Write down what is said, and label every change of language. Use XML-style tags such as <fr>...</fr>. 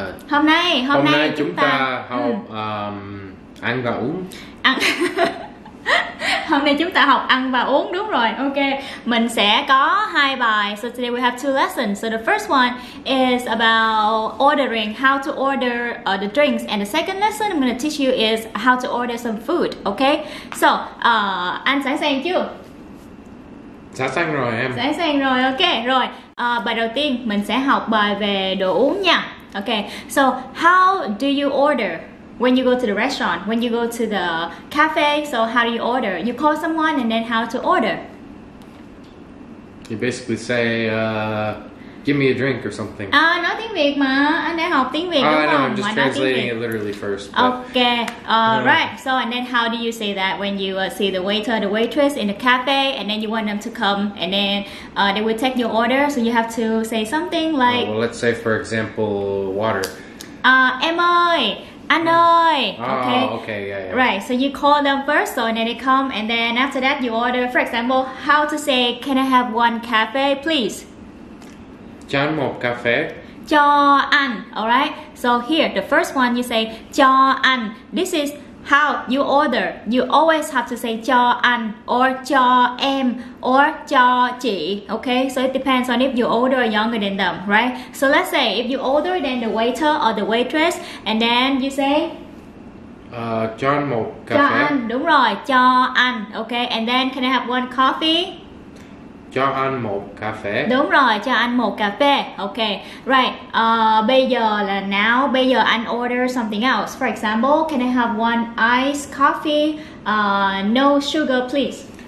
<vi>Hôm nay chúng ta học ăn và uống. Hôm nay chúng ta học ăn và uống, đúng rồi. Ok, mình sẽ có hai bài.</vi> <en>So today we have two lessons. So the first one is about ordering, how to order the drinks. And the second lesson I'm going to teach you is how to order some food.</en> <vi>Ok, so anh sẵn sàng chưa? Sẵn sàng rồi em. Sẵn sàng rồi, ok. Rồi, bài đầu tiên mình sẽ học bài về đồ uống nha.</vi> <en>Ok, so how do you order? When you go to the restaurant, when you go to the cafe, so how do you order? You call someone and then how to order? You basically say, give me a drink or something.</en> <vi>Nói tiếng Việt mà, anh đã học tiếng Việt đúng không?</vi> <en>I'm just translating it literally first. Okay, alright, so and then how do you say that when you see the waiter, the waitress in the cafe and then you want them to come and then they will take your order, so you have to say something like... Well, let's say for example, water.</en> <vi>Em ơi! Anh ơi, okay, yeah.</vi> <en>Right, so you call them first, so and then they come, and then after that you order. For example, how to say, can I have one cafe, please?</en> <vi>Cho anh một cà phê. Cho anh, alright?</vi> <en>So here, the first one you say,</en> <vi>cho anh.</vi> <en>This is how you order. You always have to say</en> <vi>cho anh,</vi> <en>or cho em, or cho chị, okay? So it depends on if you older or younger than them, right? So let's say if you older than the waiter or the waitress, and then you say?</en> <vi>Cho anh một cà phê. Cho anh, đúng rồi, cho anh, okay?</vi> <en>And then can I have one coffee?</en> <vi>Cho anh một cà phê. Đúng rồi, cho anh một cà phê, okay. Right, bây giờ là now, bây giờ anh</vi> <en>order something else. For example, can I have one iced coffee, no sugar, please?</en>